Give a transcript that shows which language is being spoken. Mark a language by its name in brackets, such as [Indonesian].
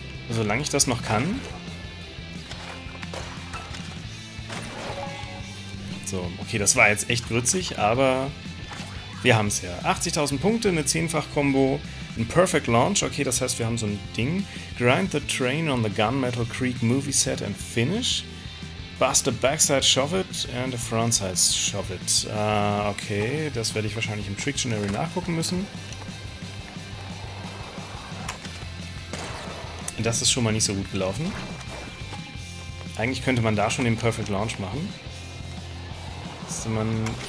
[German] Solange ich das noch kann... So, okay, das war jetzt echt grützig, aber wir haben es ja. 80.000 Punkte, eine 10-fach-Kombo, ein Perfect Launch, okay, das heißt, wir haben so ein Ding. [English] Grind the train on the Gunmetal Creek Movie Set and finish. Bust a backside shove it and a frontside shove it. [German] Okay, das werde ich wahrscheinlich im Trictionary nachgucken müssen. Das ist schon mal nicht so gut gelaufen. Eigentlich könnte man da schon den Perfect Launch machen. Man.